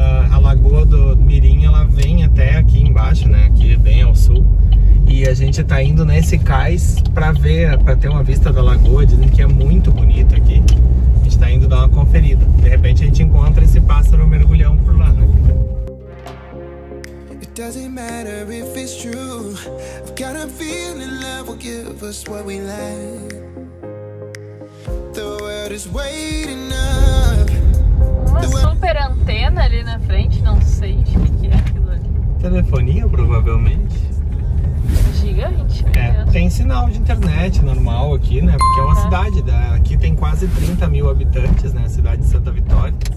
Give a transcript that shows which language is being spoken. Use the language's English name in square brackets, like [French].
[Portuguese] A lagoa do Mirim, ela vem até aqui embaixo, né? Aqui bem ao sul. E a gente tá indo nesse cais pra ver, pra ter uma vista da lagoa. Dizem que é muito bonito aqui. A gente tá indo dar uma conferida. De repente a gente encontra esse pássaro mergulhão por lá, né? [English] Doesn't matter if it's true. I've got a feeling love will give us what we lack. The world is waiting up. [Portuguese] Uma super antena ali na frente, não sei o que é aquilo ali. Telefonia, provavelmente. Gigante. É, tem sinal de internet normal aqui, né? Porque é uma cidade, aqui tem quase 30 mil habitantes, né? A cidade de Santa Vitória.